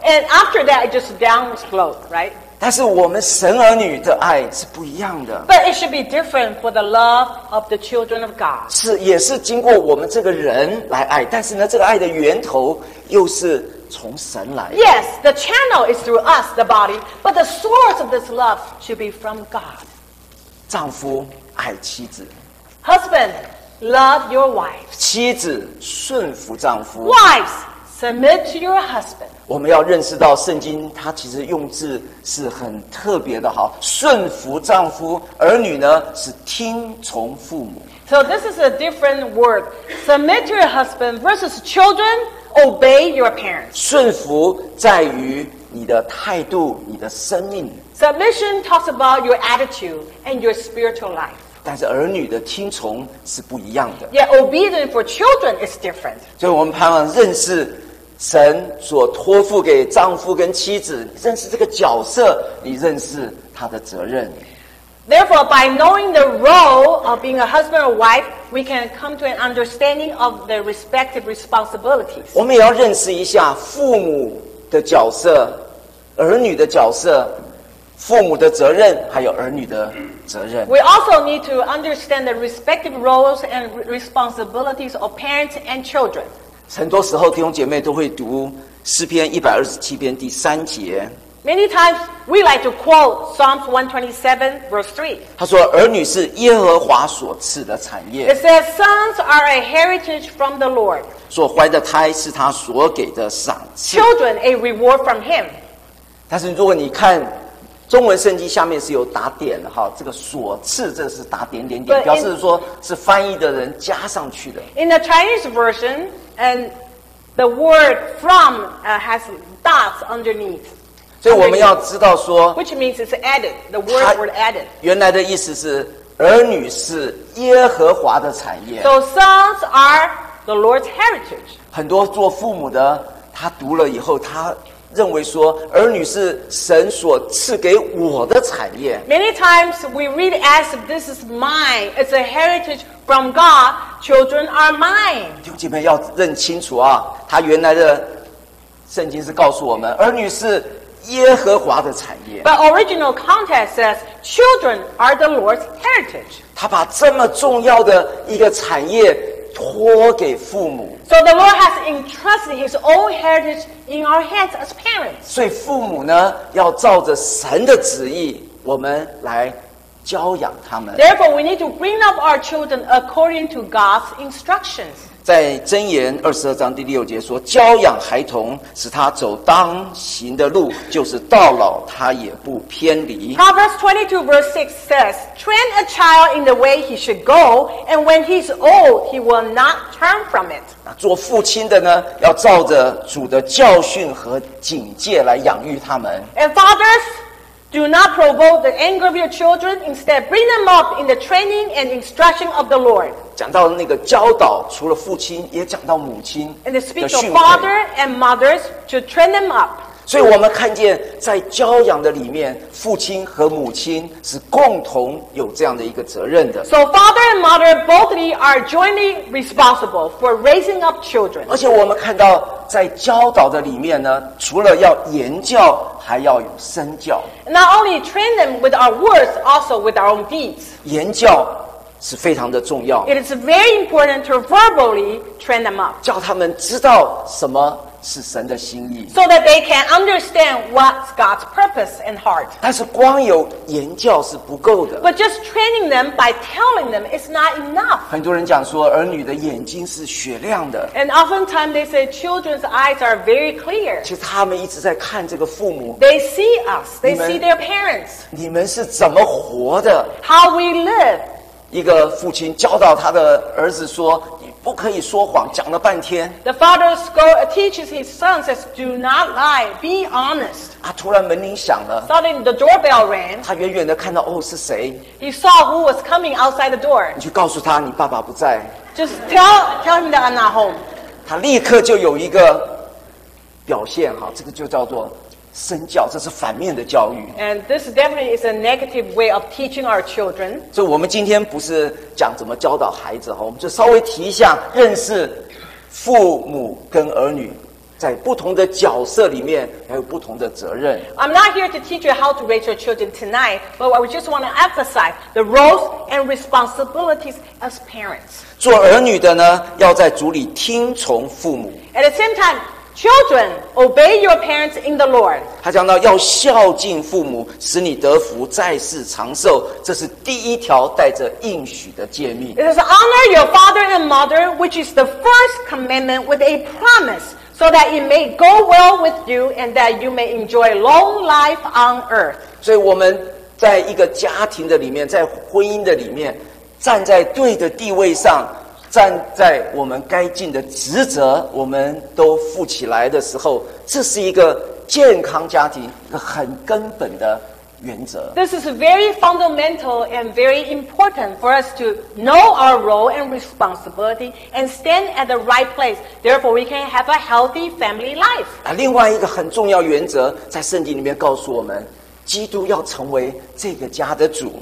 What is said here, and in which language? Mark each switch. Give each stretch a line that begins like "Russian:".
English: And after that, it just down slope, right?
Chinese: 但是我们神儿女的爱是不一样的。
English: But it should be different for the love of the children of God.
Chinese: 是，也是经过我们这个人来爱，但是呢，这个爱的源头又是。从神来。
English: Yes, the channel is through us, the body, but the source of this love should be from God.
Chinese: 丈夫爱妻子。
English: Husband, love your wife.
Chinese: 妻子顺服丈夫。
English: Wives, submit to your husband.
Chinese: 我们要认识到圣经它其实用字是很特别的哈，顺服丈夫，儿女呢是听从父母。
English: So this is a different word. Submit to your husband versus children. Obey your parents.
Chinese: 顺服在于你的态度，你的生命。
English: Submission talks about your attitude and your spiritual life.
Chinese: 但是儿女的听从是不一样的。
English: Yeah, obedience for children is different.
Chinese: 所以我们盼望认识神所托付给丈夫跟妻子，认识这个角色，你认识他的责任。
English: Therefore, by knowing the role of being a husband or wife, we can come to an understanding of the respective responsibilities.
Chinese: 我们也要认识一下父母的角色、儿女的角色、父母的责任，还有儿女的责任。
English: We also need to understand the respective roles and responsibilities of parents and children.
Chinese: 很多时候，弟兄姐妹都会读诗篇127篇第三节。
English: Many times we like to quote Psalms 127 verse 3.
Chinese: 他说儿女是耶和华所赐的产业。
English: It says sons are a heritage from the Lord.
Chinese: 所怀的胎是他所给的赏赐。
English: Children a reward from him.
Chinese: 但是如果你看中文圣经下面是有打点的哈，这个所赐这是打点点点，表示说是翻译的人加上去的。
English: In the Chinese version, and the word from has dots underneath.
Chinese: 所以我们要知道说
English: ，which means it's added. The word added.
Chinese: 原来的意思是儿女是耶和华的产业。
English: So sons are the Lord's heritage.
Chinese: 很多做父母的，他读了以后，他认为说儿女是神所赐给我的产业。
English: Many times we read as if this is mine. It's a heritage from God. Children are mine.
Chinese: 弟兄姐妹要认清楚啊，他原来的圣经是告诉我们儿女是。耶和华的产业。
English: But original context says children are the Lord's heritage.
Chinese: 他把这么重要的一个产业托给父母。
English: So the Lord has entrusted his own heritage in our hands as parents.
Chinese: 所以父母呢，要照着神的旨意，我们来教养他们。
English: Therefore, we need to bring up our children according to God's instructions.
Chinese: 在箴言二十二章第六节说：“教养孩童，使他走当行的路，就是到老他也不偏离。”
English: Proverbs 22 verse 6 says, "Train a child in the way he should go, and when he's old, he will not turn from it."
Chinese: 做父亲的呢，要照着主的教训和警戒来养育他们。
English: And fathers, Do not provoke the anger of your children. Instead, bring them up in the training and instruction of the Lord.
Chinese: 讲到那个教导，除了父亲，也讲到母亲的训诲。
English: And speak to father and mothers to train them up.
Chinese: 所以我们看见在教养的里面，父亲和母亲是共同有这样的一个责任的。
English: So father and mother bothly are jointly responsible for raising up children.
Chinese: 而且我们看到在教导的里面呢，除了要言教，还要有身教。
English: Not only train them with our words, also with our own deeds.
Chinese: 言教是非常的重要。
English: It is very important to verbally train them up.
Chinese: 教他们知道什么是神的心意。
English: So that they can understand what's God's purpose and heart.
Chinese: 但是光有言教是不够的。
English: But just training them by telling them is not enough.
Chinese: 很多人讲说儿女的眼睛是雪亮的。
English: And oftentimes they say children's eyes are very clear.
Chinese: 其实他们一直在看这个父母。
English: They see us. They see their parents.
Chinese: 你们是怎么活的？
English: How we live.
Chinese: 一个父亲教导他的儿子说你不可以说谎讲了半天
English: The father teaches his son says do not lie be honest
Chinese: 啊，突然门铃响了
English: Suddenly the doorbell rang
Chinese: 他远远的看到哦是谁
English: He saw who was coming outside the door
Chinese: 你去告诉他你爸爸不在
English: Just tell him that I'm not home
Chinese: 他立刻就有一个表现哈，这个就叫做身教，这是反面的教育。
English: And this definitely is a negative way of teaching our children.
Chinese: 所以我们今天不是讲怎么教导孩子，我们就稍微提一下认识父母跟儿女在不同的角色里面还有不同的责任。
English: I'm not here to teach you how to raise your children tonight, but I just want to emphasize the roles and responsibilities as parents.
Chinese: 做儿女的呢，要在主里听从父母。
English: At the same time,Children, obey your parents in the Lord.
Chinese: 他讲到要孝敬父母，使你得福，在世长寿。这是第一条带着应许的诫命。
English: It is honor your father and mother, which is the first commandment with a promise, so that it may go well with you and that you may enjoy long life on earth.
Chinese: 所以我们在一个家庭的里面，在婚姻的里面，站在对的地位上。站在我们该尽的职责我们都负起来的时候这是一个健康家庭一个很根本的原则
English: This is very fundamental and very important for us to know our role and responsibility and stand at the right place therefore we can have a healthy family life
Chinese: 另外一个很重要原则在圣经里面告诉我们基督要成为这个家的主